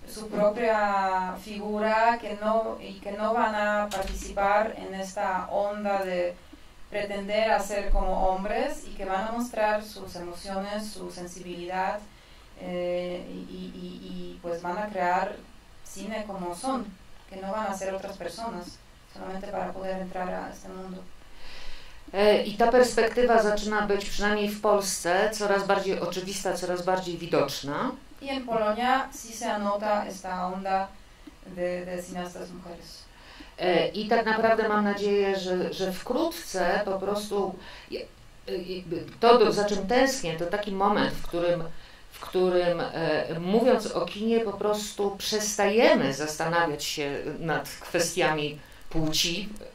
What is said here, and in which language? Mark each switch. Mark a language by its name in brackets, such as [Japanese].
[Spanish] propia figura que no van a participar en esta onda de pretender a ser como hombres y que van a mostrar sus emociones, su sensibilidad y pues van a crear cine como son, que no van a ser otras personas, solamente para poder entrar a este mundo. [Polish] I ta perspektywa zaczyna być przynajmniej w Polsce coraz bardziej oczywista, coraz bardziej widoczna. [Spanish] Y en Polonia sí se anota esta onda de cineastas mujeres. [Polish] I tak naprawdę mam nadzieję, że wkrótce po prostu to, za czym tęsknię, to taki moment, w którym mówiąc o kinie po prostu przestajemy zastanawiać się nad kwestiami płci.